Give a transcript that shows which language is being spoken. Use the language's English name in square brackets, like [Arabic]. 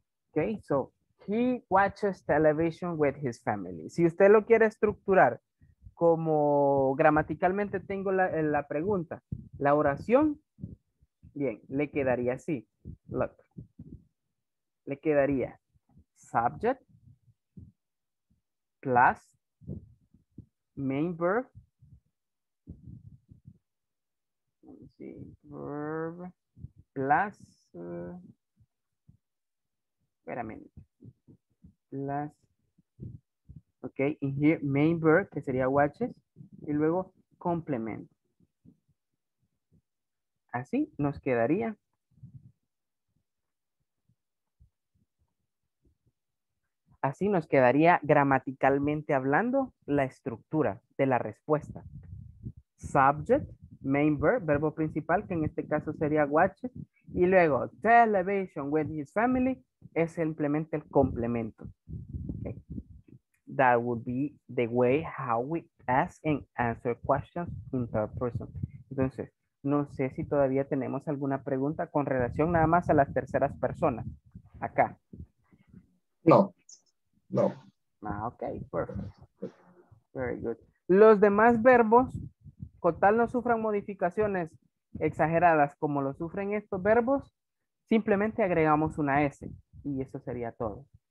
[English] Ok, so he watches television with his family. [Spanish] Si usted lo quiere estructurar como gramaticalmente tengo la pregunta, la oración, bien, le quedaría así. [English] Look. [Spanish] Le quedaría [English] subject plus main verb. Let me see. Verb plus. [Spanish] Espérame. [English] Plus, ok, in here, main verb, [Spanish] que sería watches, y luego complement. Así nos quedaría. Así nos quedaría gramaticalmente hablando la estructura de la respuesta. Subject [English] main verb, [Spanish] verbo principal, que en este caso sería watches. Y luego, television with his family, es simplemente el complemento. Okay. [English] That would be the way how we ask and answer questions in third person. [Spanish] Entonces, no sé si todavía tenemos alguna pregunta con relación nada más a las terceras personas. Acá. No. No. Ah, ok, perfecto. [English] Very good. [Spanish] Los demás verbos, con tal no sufran modificaciones exageradas como lo sufren estos verbos, simplemente agregamos una S y eso sería todo.